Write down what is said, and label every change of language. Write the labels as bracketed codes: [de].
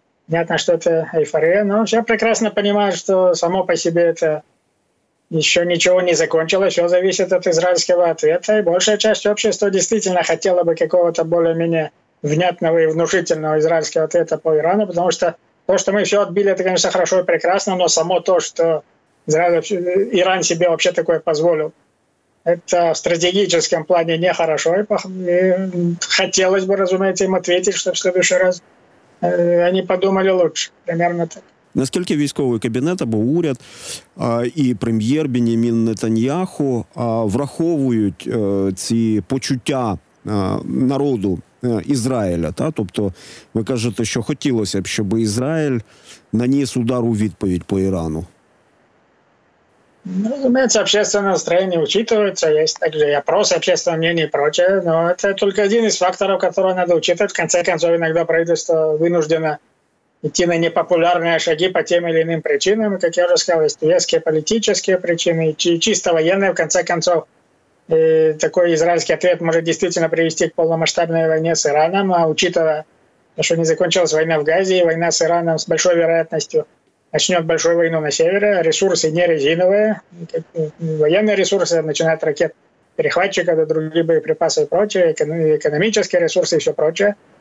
[ru] Понятно, что это эйфория, но все прекрасно понимают, что само по себе это еще ничего не закончилось, все зависит от израильского ответа, и большая часть общества действительно хотела бы какого-то более-менее внятного и внушительного израильского ответа по Ирану, потому что то, что мы все отбили, это, конечно, хорошо и прекрасно, но само то, что Иран себе вообще такое позволил, это в стратегическом плане нехорошо, и хотелось бы, разумеется, им ответить, чтобы в следующий раз они подумали лучше, примерно так. [uk] Наскільки військовий кабінет або уряд і прем'єр Беньямін Нетаньяху враховують ці почуття народу Ізраїля? Та? Тобто ви кажете, що хотілося б, щоб Ізраїль наніс удар у відповідь по Ірану? [ru] Ну, разумеется, общественное настроение учитывается, есть также и опросы, общественное мнение и прочее, но это только один из факторов, который надо учитывать. В конце концов, иногда правительство вынуждено идти на непопулярные шаги по тем или иным причинам, как я уже сказал, есть веские политические причины, чисто военные, в конце концов, такой израильский ответ может действительно привести к полномасштабной войне с Ираном, а учитывая, что не закончилась война в Газе, и война с Ираном с большой вероятностью начнет большую войну на севере, ресурсы не резиновые, военные ресурсы, начинают ракет перехватчика, да другие боеприпасы и прочее, экономические ресурсы и все прочее.